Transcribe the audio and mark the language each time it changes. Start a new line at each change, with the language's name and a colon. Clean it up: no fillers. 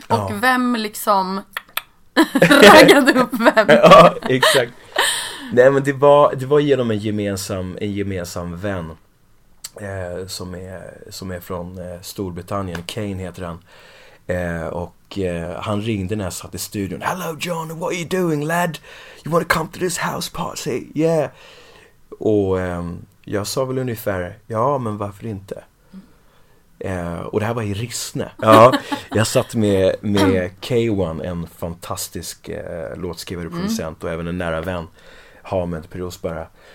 Swedish: Och ja, vem liksom raggade upp vem? Ja, exakt. Nej, men det var genom en gemensam vän. Som är från Storbritannien. Kane heter han. Och han ringde när jag satt i studion.
English: Hello John, what are you doing lad? You want to come to this house party? Yeah.
Swedish: Och jag sa väl ungefär, ja men varför inte? Och det här var i Rissne. Ja, jag satt med K1, en fantastisk låtskrivare, producent och även en nära vän, Hamed Peros, bara.